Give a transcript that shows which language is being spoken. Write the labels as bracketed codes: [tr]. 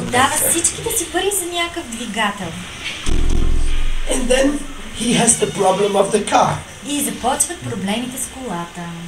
[bg] Дава всичките си пари за някакъв двигател. [en] And then he has the problem of the car. [bg] И започват проблемите с колата.